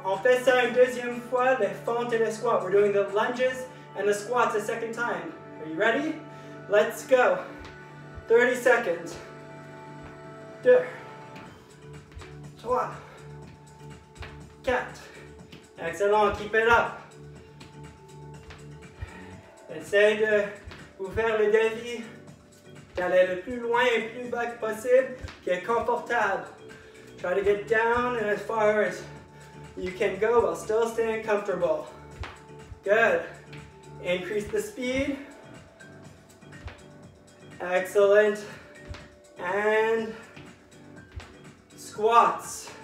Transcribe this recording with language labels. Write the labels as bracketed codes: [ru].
[fr] On fait ça une deuxième fois, les fentes et les squats. [en] We're doing the lunges and the squats a second time. Are you ready? Let's go. 30 seconds. 2, 3, 4. Excellent. Keep it up. [fr] Essaye de faire le défi d'aller le plus loin et plus bas que possible qui est confortable. [en] Try to get down and as far as you can go while still staying comfortable. Good. Increase the speed. Excellent. And squats.